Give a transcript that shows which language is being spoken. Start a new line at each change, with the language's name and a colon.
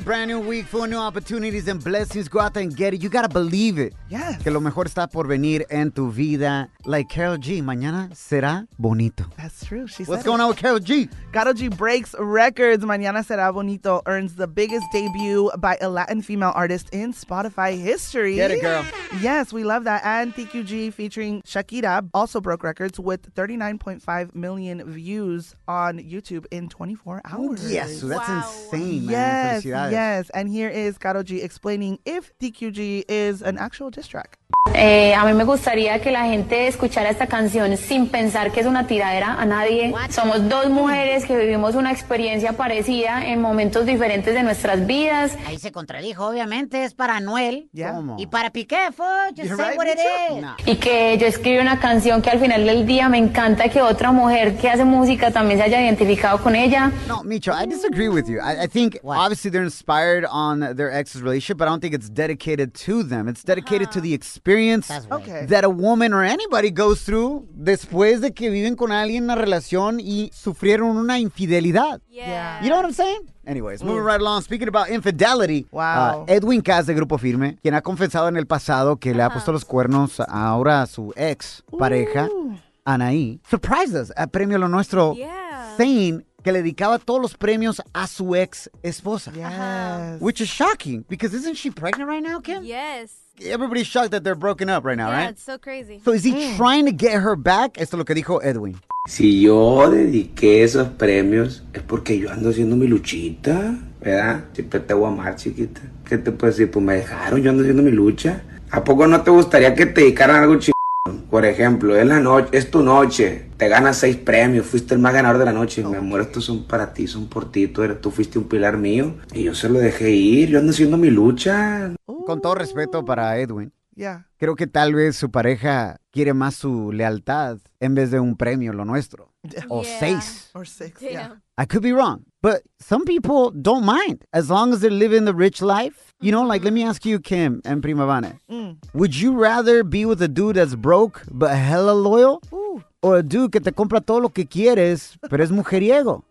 English: Brand new week full of new opportunities and blessings. Go out there and get it. You gotta believe it. Yeah.
Spanish: Que lo mejor está por venir en tu vida.
English: Like Karol G, mañana será bonito. That's true. What's going on with Karol G? Karol G breaks records. Mañana será bonito earns the biggest debut by a Latin female artist in Spotify history. Get it, girl. Yes, we love that. And TQG featuring Shakira also broke records with 39.5 million views on YouTube in 24 hours. Yes, so that's insane, man. Yes, yes. And here is Karol G explaining if TQG is an actual diss track.
Spanish: A mí me gustaría que la gente escuchara esta canción sin pensar que es una tiradera a nadie.
English: What?
Spanish: Somos dos mujeres que vivimos una experiencia parecida en momentos diferentes de nuestras vidas. Ahí se contradijo, obviamente, es para Anuel. Yeah. ¿Cómo? Y para
English: Piqué, just say what it is.
Spanish: Y que yo escribí una canción que al final del día me encanta que otra mujer que hace música también se haya identificado con ella.
English: No, Micho, I disagree with you. I think, what? Obviously, they're inspired on their ex's relationship, but I don't think it's dedicated to them. It's dedicated to the experience that a woman or anybody goes through
Spanish: después de que viven con alguien en una relación y sufrieron una infidelidad.
English: Yeah. You know what I'm saying? Anyways, moving right along. Speaking about infidelity. Wow.
Spanish: Edwin Cass de Grupo Firme, quien ha confesado en el pasado que le ha puesto los cuernos ahora a su ex pareja, Anaí,
English: surprised us at Premio Lo Nuestro, saying
Spanish: que le dedicaba todos los premios a su ex esposa.
English: Yes. Which is shocking, because isn't she pregnant right now, Kim? Yes. Everybody's shocked that they're broken up right now, yeah, right? Yeah, it's so crazy. So is he trying to get her back?
Spanish: Esto es lo que dijo Edwin. Si yo dediqué esos premios, es porque yo ando haciendo mi luchita, ¿verdad? Siempre te voy a amar, chiquita. ¿Qué te puedo decir? Pues me dejaron, yo ando haciendo mi lucha. ¿A poco no te gustaría que te dedicaran algo chico? Por ejemplo, es la noche, es tu noche, te ganas 6 premios, fuiste el más ganador de la noche. Okay. Mi amor, estos son para ti, son por ti, tú fuiste un pilar mío y yo se lo dejé ir, yo ando haciendo mi lucha. Con todo respeto para Edwin, yeah, creo que tal vez su pareja quiere más su lealtad en vez de un premio, lo nuestro, o 6.
English: Or 6, yeah. I could be wrong, but some people don't mind, as long as they're living the rich life. You know, like, let me ask you, Kim and Prima Vane. Mm. Would you rather be with a dude that's broke but hella loyal? Ooh. Or a dude
Spanish: que te compra todo lo que quieres, pero es mujeriego?